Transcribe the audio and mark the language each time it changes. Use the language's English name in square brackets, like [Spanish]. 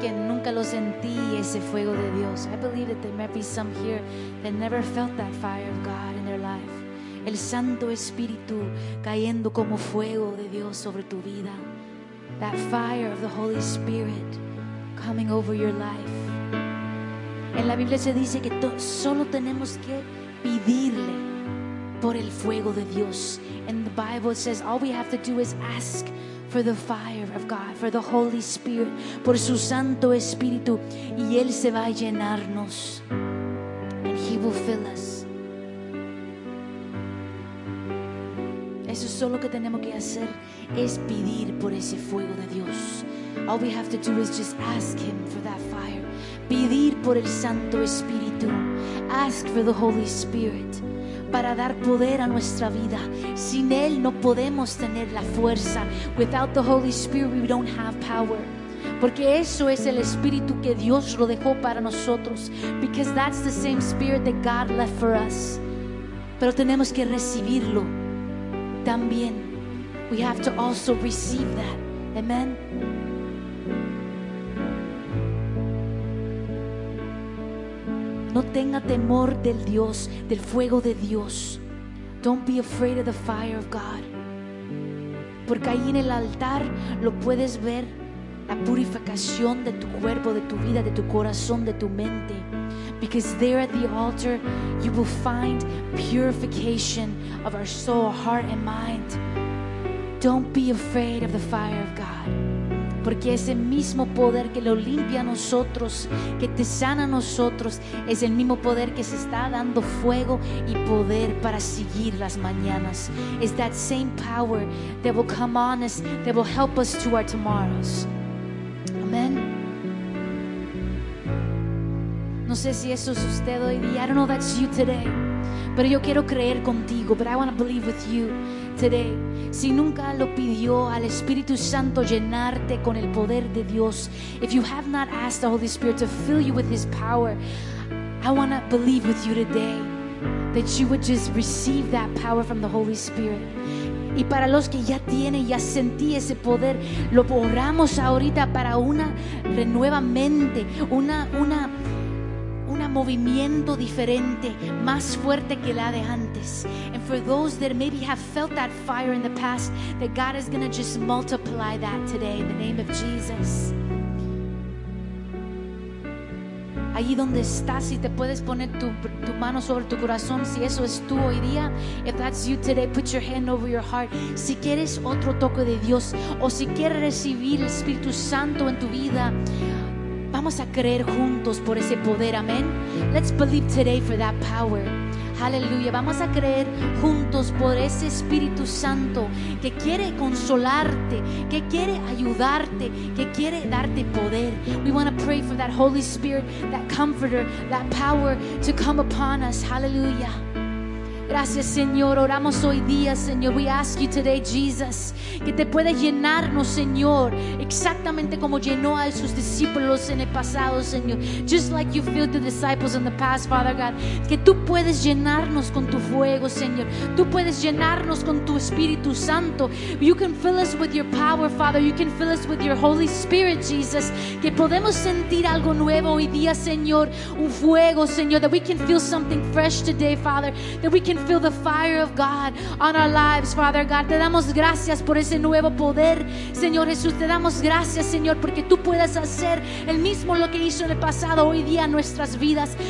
[English] I believe that there might be some here that never felt that fire of God in their life. [Spanish] El Santo Espíritu cayendo como fuego de Dios sobre tu vida. [English] That fire of the Holy Spirit coming over your life. [Spanish] En la Biblia se dice que solo tenemos que pedirle por el fuego de Dios. [English] And the Bible says all we have to do is ask for the fire of God, for the Holy Spirit, [Spanish] por su Santo Espíritu, y Él se va a llenarnos. [English] And He will fill us. [Spanish] Eso es solo que tenemos que hacer, es pedir por ese fuego de Dios. [English] All we have to do is just ask Him for that fire. [Spanish] Pedir por el Santo Espíritu. [English] Ask for the Holy Spirit. [Spanish] Para dar poder a nuestra vida. Sin Él no podemos tener la fuerza. [English] Without the Holy Spirit we don't have power. [Spanish] Porque eso es el Espíritu que Dios lo dejó para nosotros. [English] Because that's the same Spirit that God left for us. [Spanish] Pero tenemos que recibirlo también. [English] We have to also receive that. Amen. [Spanish] No tenga temor del Dios, del fuego de Dios. [English] Don't be afraid of the fire of God. [Spanish] Porque ahí en el altar lo puedes ver, la purificación de tu cuerpo, de tu vida, de tu corazón, de tu mente. [English] Because there at the altar you will find purification of our soul, heart and mind. Don't be afraid of the fire of God. [Spanish] Porque ese mismo poder que lo limpia a nosotros, que te sana a nosotros, es el mismo poder que se está dando fuego y poder para seguir las mañanas. [English] It's that same power that will come on us, that will help us to our tomorrows. Amen. [Spanish] No sé si eso es usted hoy día. [English] I don't know if that's you today. [Spanish] Pero yo quiero creer contigo. [English] But I want to believe with you today. [Spanish] Si nunca lo pidió al Espíritu Santo llenarte con el poder de Dios, [English] if you have not asked the Holy Spirit to fill you with His power, I want to believe with you today that you would just receive that power from the Holy Spirit. [Spanish] Y para los que ya tienen, ya sentí ese poder, lo oramos ahorita para una renueva mente, un movimiento diferente, más fuerte que la de antes. [English] And for those that maybe have felt that fire in the past, that God is going to just multiply that today in the name of Jesus. [Spanish] Allí donde estás, si te puedes poner tu mano sobre tu corazón, si eso es tú hoy día, [English] if that's you today, [Spanish] put your hand over your heart. Si quieres otro toque de Dios, o si quieres recibir el Espíritu Santo en tu vida, vamos a creer juntos por ese poder, amén. [English] Let's believe today for that power. [Spanish] Aleluya, vamos a creer juntos por ese Espíritu Santo que quiere consolarte, que quiere ayudarte, que quiere darte poder. [English] We want to pray for that Holy Spirit, that comforter, that power to come upon us. [Spanish] Aleluya. Gracias, Señor. Oramos hoy día, Señor. [English] We ask you today, Jesus, [Spanish] que te puedas llenarnos, Señor, exactamente como llenó a sus discípulos en el pasado, Señor. [English] Just like you filled the disciples in the past, Father God. [Spanish] Que tú puedes llenarnos con tu fuego, Señor. Tú puedes llenarnos con tu Espíritu Santo. [English] You can fill us with your power, Father. You can fill us with your Holy Spirit, Jesus. [Spanish] Que podemos sentir algo nuevo hoy día, Señor. Un fuego, Señor. [English] That we can feel something fresh today, Father. That we can feel the fire of God on our lives, Father God. [Spanish] Te damos gracias por ese nuevo poder, Señor Jesús. Te damos gracias, Señor, porque tú puedes hacer el mismo lo que hizo en el pasado hoy día en nuestras vidas.